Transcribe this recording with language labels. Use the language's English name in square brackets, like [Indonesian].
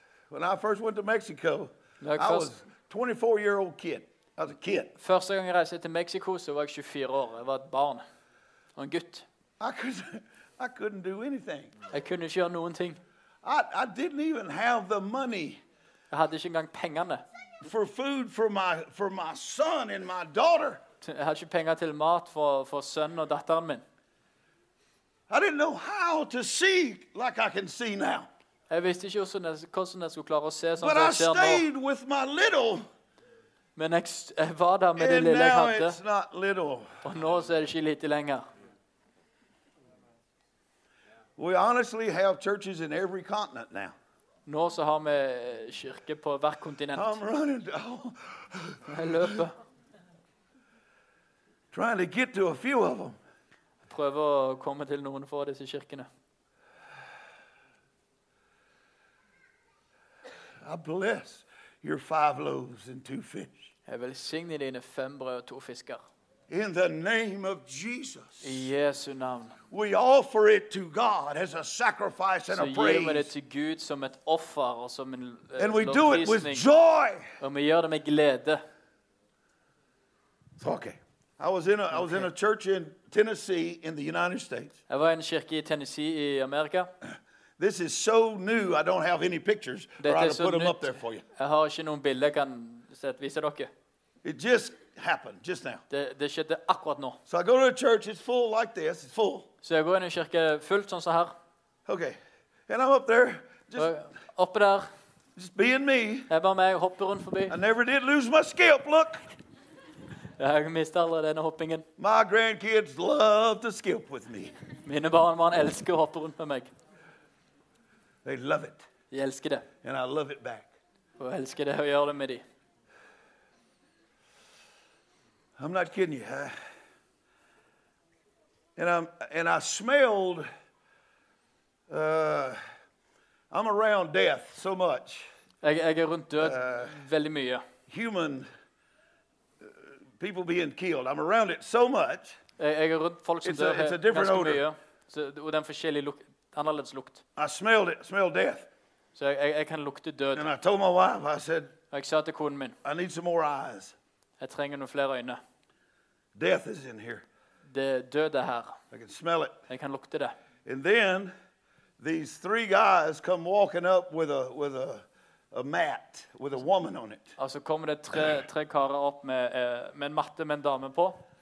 [English] When I first went to Mexico, I was a 24-year-old kid. I was a kid. [Norwegian] Første gang jeg reiste til Mexico, så var jeg 24 år. Jeg var et barn. Og en gutt. [English] I couldn't do anything. [Norwegian] Jeg kunne ikke gjøre noen ting. [English] I didn't even have the money. [Norwegian] Jeg hadde ikke engang pengene. [English] For food for my son and my daughter. [Norwegian] Jeg hadde ikke penger til mat for sønnen og datteren min. [English] I didn't know how to see like I can see now. [Norwegian] Jeg visste ikke hvordan jeg skulle klare å se sånn som jeg ser nå. Men jeg var der med det lille jeg hadde. [English] It's not little. [Norwegian] Og nå så det ikke lite lenger. [English] We honestly have churches in every continent now. [Norwegian] Nå så har vi kirke på hver kontinent. [English] I'm running down. [Norwegian] Jeg løper. [English] Trying to get to a few of them. [Norwegian] Prøve å komme til noen for disse kirkene. [English] I bless your five loaves and two fish. [Norwegian] Jeg velsigner dine fem brød og to fisker. [English] In the name of Jesus. [Norwegian] I Jesu navn. [English] We offer it to God as a sacrifice and a praise. [Norwegian] Så gir vi det til Gud som et offer og som en lovprisning. [English] And we do it with joy. [Norwegian] Og vi gjør det med glede. [English] Okay. I was in a church in Tennessee in the United States. [Norwegian] Jeg var i en kirke I Tennessee I Amerika. [English] This is so new. I don't have any pictures, or I'd have put them up there for you. [Norwegian] Jeg har ikke noen bilder kan sette vise dere. [English] It just happened just now. [Norwegian] Det skjedde akkurat nå. [English] So I go to a church. It's full like this. It's full. [Norwegian] Så jeg går inn I en kirke fullt sånn så her. [English] Okay. And I'm up there. Just [Norwegian] oppe der. [English] Just being me. [Norwegian] Jeg bare meg hopper rundt forbi. [English] I never did lose my skip. Look. [Norwegian] Jeg mistet alle denne hoppingen. [English] My grandkids love to skip with me. [Norwegian] Mine barnebarn elsker å hoppe rundt med meg. [English] They love it. [Norwegian] De elsker det. [English] And I love it back. [Norwegian] Og elsker det å gjøre det med de. [English] I'm not kidding you. I smelled. I'm around death so much. [Norwegian] Jeg rundt død veldig mye. [English] Human. People being killed. I'm around it so much. It's a different odor. [Norwegian] Mye, så, og den forskjellige lukt, annerledes lukt. [English] I smelled it. Smelled death. [Norwegian] Så jeg kan lukte død. [English] And I told my wife. I said. [Norwegian] Jeg sa til konen min. [English] I need some more eyes. [Norwegian] Jeg trenger noen flere øyne. [English] Death is in here. [Norwegian] Det død her. [English] I can smell it. [Norwegian] Jeg kan lukte det. [English] And then these three guys come walking up with a mat with a woman on it. [Swedish] Och så kommer det tre karlar upp med en matte med en dam på.